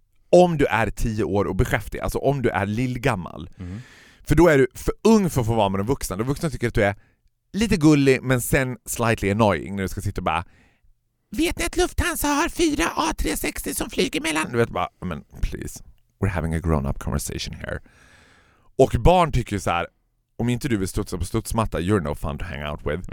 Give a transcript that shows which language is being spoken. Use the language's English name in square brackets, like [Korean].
[Swedish] Om du är 10 år och beskäftig, alltså om du är lillgammal. Mm. För då är du för ung för att få vara med de vuxna. De vuxna tycker att du är lite gullig, men sen [English] slightly annoying [Swedish] när du ska sitta och bara, vet ni att Lufthansa har 4 A360 som flyger mellan? Du vet bara, men [English] please, we're having a grown-up conversation here. [Swedish] Och barn tycker så här, om inte du vill studsa på studsmatta, [English] you're no fun to hang out with.